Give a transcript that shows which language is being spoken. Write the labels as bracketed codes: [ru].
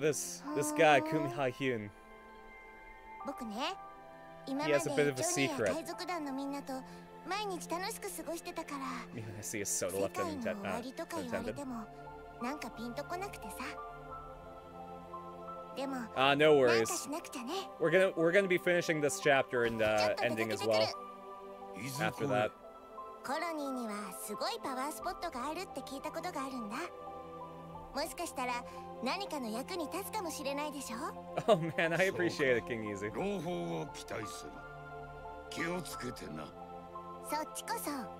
[en] this guy, Kum Ha Hyun, he has a bit of a secret. I see a soda left unattended. [ja] なんかピンとこなくてさ。でも、 [en] no worries. We're gonna be finishing this chapter and ending as well. After that. [ja] コロニーにはすごいパワースポットがあるって聞いたことがあるんだ。もしかしたら何かの役に立つかもしれないでしょ。 [en] Oh man, I appreciate it, King Easy. [ja] 朗報を期待する。気をつけてな。そっちこそ。